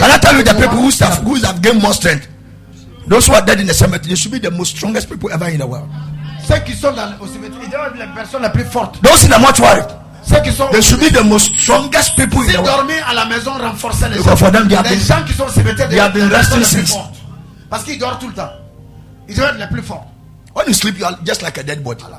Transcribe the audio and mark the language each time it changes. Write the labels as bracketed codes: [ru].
[en] Can I tell you the people who have gained more strength? Those who are dead in the cemetery, they should be the most strongest people ever in the world. [fr] Ceux qui sont dans le cimetière, ils doivent être les personnes les plus fortes. [en] Those in the mortuary, They should be the most strongest people in the world. [fr] À la maison, [en] because [fr] les [en] for them, they have been, [fr] gens qui sont [en] they have been resting since. [fr] Parce qu'ils dorment tout le temps. Ils doivent être les plus forts. [en] When you sleep, you are just like a dead body.